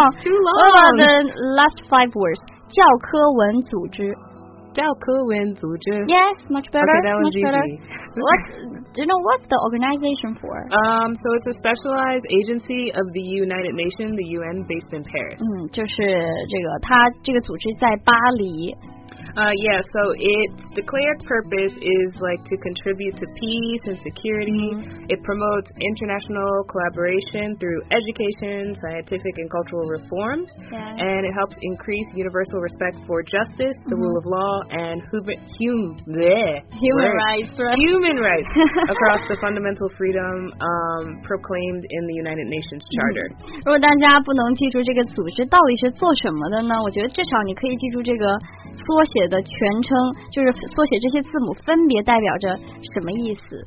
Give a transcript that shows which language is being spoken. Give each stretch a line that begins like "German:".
English: It's too long. What about the last five words?
Chinese: 教科文组织，教科文组织。
English: Yes, much better. Okay, that was much better. What do you know? What's the organization for? So it's a specialized agency of the United Nations, the UN, based in Paris.
Chinese: 就是这个，它这个组织在巴黎。
English: Yeah, so its declared purpose is like to contribute to peace and security. It promotes international collaboration through education, scientific and cultural reforms. And it helps increase universal respect for justice, the rule of law, and human rights across the fundamental freedom proclaimed in the United Nations Charter.
Chinese: 如果大家不能记住这个组织到底是做什么的呢，我觉得至少你可以记住这个缩写的全称，就是缩写这些字母分别代表着什么意思。